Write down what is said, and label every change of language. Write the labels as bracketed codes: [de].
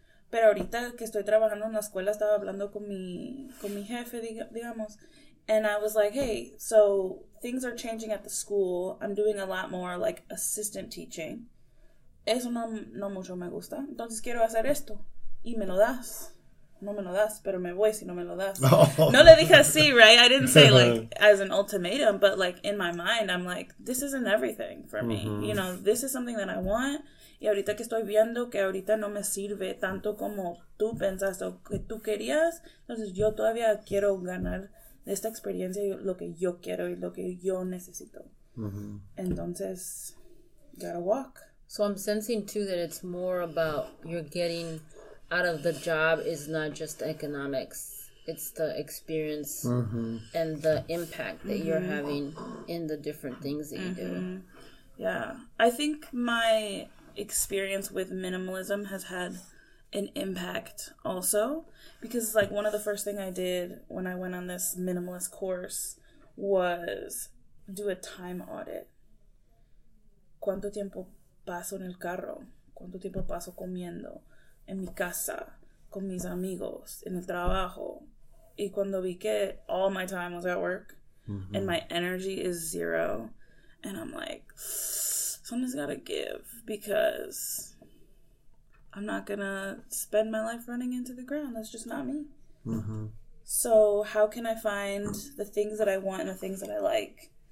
[es] Pero ahorita que estoy trabajando en la escuela, estaba hablando con mi jefe, digamos. [en] And I was like, hey, so things are changing at the school. I'm doing a lot more, like, assistant teaching. [es] Eso no mucho me gusta. Entonces quiero hacer esto. Y me lo das. No me lo das, pero me voy si no me lo das. No le dije así, [en] right? I didn't say, like, as an ultimatum. But, like, in my mind, I'm like, this isn't everything for me. Mm-hmm. You know, this is something that I want. [es] Y ahorita que estoy viendo que ahorita no me sirve tanto como tú pensaste o que tú querías, entonces yo todavía quiero ganar esta experiencia lo que yo quiero y lo que yo necesito. Mm-hmm. Entonces, [en] gotta walk. So I'm sensing too that it's more about you're getting out of the job is not just economics. It's the experience mm-hmm. and the impact that mm-hmm. you're having in the different things that mm-hmm. you do. Yeah. I think my experience with minimalism has had an impact also, because it's like one of the first thing I did when I went on this minimalist course was do a time audit. [es] ¿Cuánto tiempo paso en el carro? ¿Cuánto tiempo paso comiendo? En mi casa, con mis amigos, en el trabajo. Y cuando vi que [en] all my time was at work mm-hmm. and my energy is zero, and I'm like, someone's gotta give, because I'm not gonna spend my life running into the ground. That's just not me. Mm-hmm. So how can I find the things that I want and the things that I like?